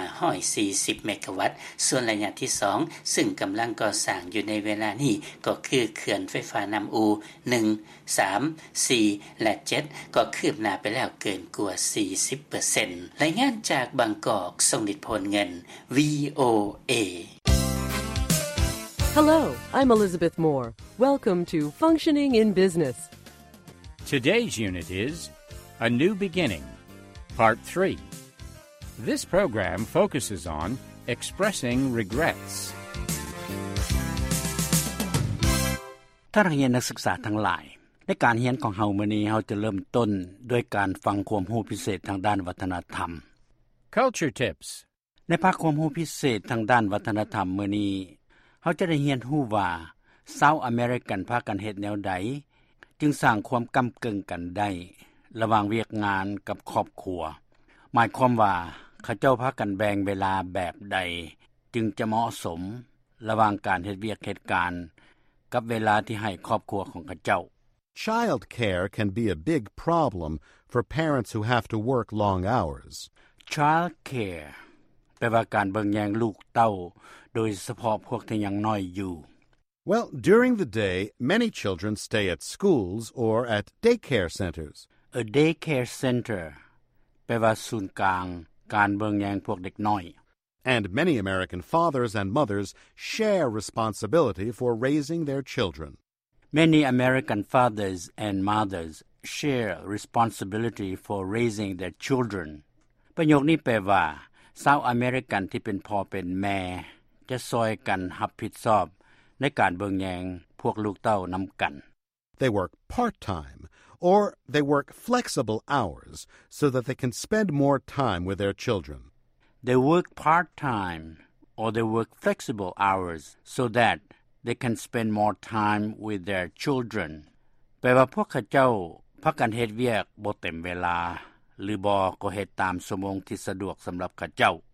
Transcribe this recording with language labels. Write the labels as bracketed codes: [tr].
[th] 540เมกะวัตต์ส่วนระยะที่2ซึ่งกำลังก่อสร้างอยู่ในเวลานี้ก็คือเขื่อนไฟฟ้านำอู1 3 4และ7ก็คืบหน้าไปแล้วเกินกว่า 40% รายงานจากบางกอกทรงดิษฐ์พลเงิน VOA [en] Hello, I'm Elizabeth Moore. Welcome to Functioning in Business. Today's unit is A New Beginning, Part 3. This program focuses on expressing regrets. [th] ท่านนักเรียนนักศึกษาทั้งหลายในการเรียนของเฮามื้อนี้เฮาจะเริ่มต้นด้วยการฟังความรู้พิเศษทางด้านวัฒนธรรม [en] Culture Tips [th] ในภาคความรู้พิเศษทางด้านวัฒนธรรมมื้อนี้เฮาจะได้เรียนรู้ว่าชาวอเมริกันพากันเฮ็ดแนวใดจึงสร้างความกำกึ่งกันได้ระหว่างเวียกงานกับครอบครัวหมายความว่าเขาเจ้าพากันแบ่งเวลาแบบใดจึงจะเหมาะสมระหว่างการเฮ็ดเวียกเหตุการณ์กับเวลาที่ให้ครอบครัวของเขาเจ้า [en] Child care can be a big problem for parents who have to work long hours. [th] Child care แปลว่าการเบิ่งแยงลูกเต้าโดยเฉพาะพวกที่ยังน้อยอยู่ [en] Well, during the day, many children stay at schools or at daycare centers. [th] A daycare center แปลว่าศูนย์กลางการเบิ่งแยงพวกเด็กน้อย [en] And many American fathers and mothers share responsibility for raising their children. Many American fathers and mothers share responsibility for raising their children. [th] ประโยคนี้แปลว่าชาวอเมริกันที่เป็นพ่อเป็นแม่จะช่วยกันรับผิดชอบในการเบิ่งแยงพวกลูกเต้านำกัน [en] They work part-time, or they work flexible hours so that they can spend more time with their children. They work part-time or they work flexible hours so that they can spend more time with their children. [th] แปลว่าพวกเขาเจ้าพักกันเฮ็ดเวียกบ่เต็มเวลาหรือบ่ก็เฮ็ดตามชั่วโมงที่สะดวกสำหรับเขาเจ้า